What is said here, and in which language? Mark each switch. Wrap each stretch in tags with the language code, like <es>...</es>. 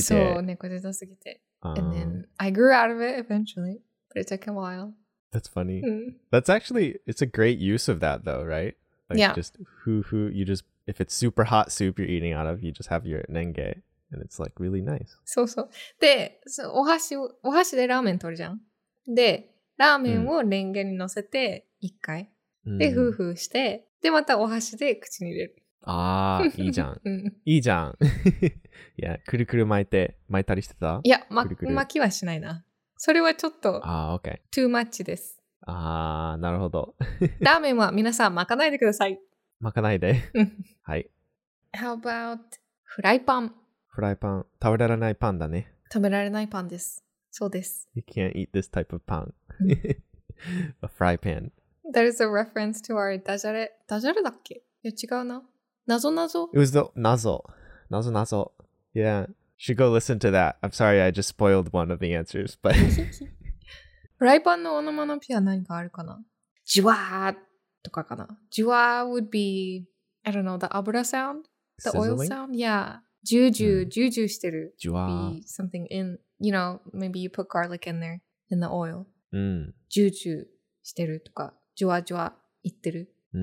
<ja>So, neko-chita-sugite.</ja> <en>And then I grew out of it eventually, but it took a while. That's funny. That's actually, it's a great use of that though, right? Like yeah. Just hoo-hoo, you just, if it's super hot soup you're eating out of, you just have your renge, and it's like really nice. So, so.</en> <ja>で、お箸でラーメン取るじゃん。で、ラーメンをレンゲに乗せて一回。で、hoo-hoo して、で、またお箸で口に入れる。ああ、いいじゃん。いいじゃん。いや、くるくる巻いたりしてた？いや、巻きはしないな。それはちょっと、ああ、OK。トゥーマッチです。ああ、なるほど。ラーメンは皆さん巻かないでください。巻かないで。はい。</ja> <en>How about フライパン？</en> <ja>フライパン。食べられないパンだね。食べられないパンです。そうです。</ja> <en>You can't eat this type of pan. A fry pan. That is a reference to our ダジャレ。</en> <ja>ダジャレだっけ？いや、違うな。謎謎?</ja> <en>It was the 謎。謎謎。Yeah. Should go listen to that. I'm sorry, I just spoiled one of the answers, but...</en> <ja>フライパンのオノマノピは何かあるかな? ジュワーとかかな?</ja> <en>ジュワー would be... I don't know, the 油 sound? The Sizzling? Oil sound? Yeah.</en> <ja>ジュージュー、ジュージューしてる。ジュワー。</ja> <en>Be something in... You know, maybe you put garlic in there, in the oil.</en> <ja>ジュージューしてるとか、ジュワジュワ言ってる。</ja>